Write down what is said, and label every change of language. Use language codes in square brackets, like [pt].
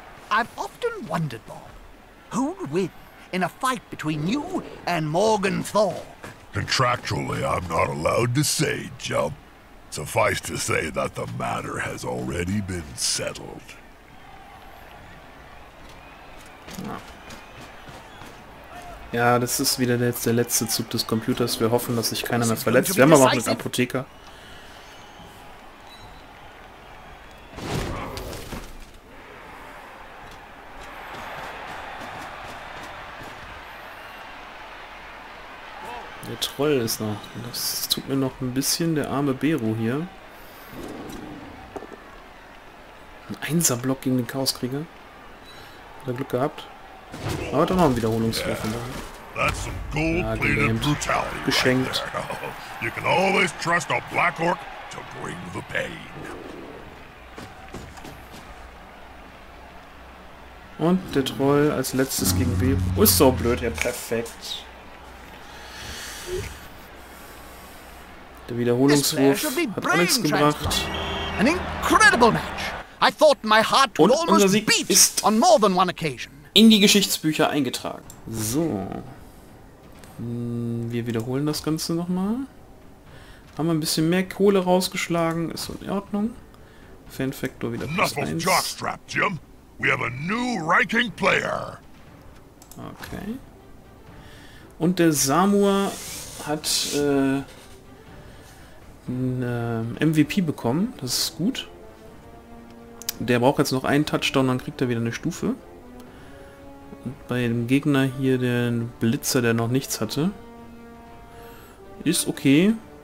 [en] I've often wondered, Bob, who would win in a fight between you and Morgenthau? Contractually, I'm not allowed to say, Jump. Suffice to say that the matter has already been settled. [de] Ja, das ist wieder der letzte Zug des Computers. Wir hoffen, dass sich keiner mehr verletzt. Wir haben aber auch einen Apotheker. Der Troll ist noch. Das tut mir noch ein bisschen, der arme Beru hier. Ein Einser-Block gegen den Chaoskrieger. Hat er Glück gehabt. Aber doch noch ein Wiederholungswurf. Ja, gelähmt. Geschenkt. [en] You can always trust a Black Orc to bring the pain. [de] Und der Troll als letztes gegen Beru. Ist so blöd, ja, perfekt. Der Wiederholungswurf hat alles gebracht. [en] An incredible match. I thought my heart would almost beat on more than one occasion. [de] In die Geschichtsbücher eingetragen. So. Wir wiederholen das Ganze nochmal. Haben wir ein bisschen mehr Kohle rausgeschlagen, ist in Ordnung. Fanfaktor wieder plus 1. [en] Enough of jockstrap, Jim. We have a new ranking player. Okay. [de] Und der Samur hat einen MVP bekommen, das ist gut. Der braucht jetzt noch einen Touchdown, dann kriegt er wieder eine Stufe. bei dem Gegner hier den Blitzer, der noch nichts hatte. Ist okay.